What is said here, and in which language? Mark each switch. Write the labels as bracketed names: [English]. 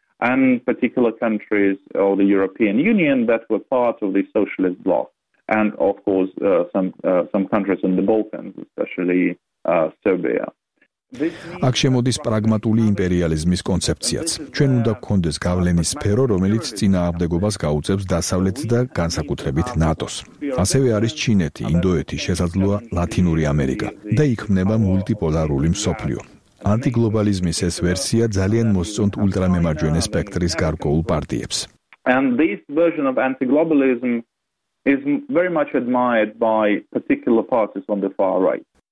[English] And particular countries of the European Union that were part of the socialist bloc, and of course some countries in the Balkans, especially Serbia. [Georgian] აქ შემოდის პრაგმატული იმპერიალიზმის კონცეფციაც. ჩვენ უნდა გქონდეს გავლენის სფერო, რომელიც წინააღმდეგობას გაუწევს დასავლეთს და განსაკუთრებით ნატოს. ასევე არის ჩინეთი, ინდოეთი, შესაძლოა ლათინური ამერიკა და იქმნება მულტიპოლარული მსოფლიო. ანტიგლობალიზმის ეს ვერსია ძალიან მოსწონთ ულტრამემარჯვენე სპექტრის გარკვეულ პარტიებს. [English] And this version of anti-globalism is very much admired by particular parties on the far right.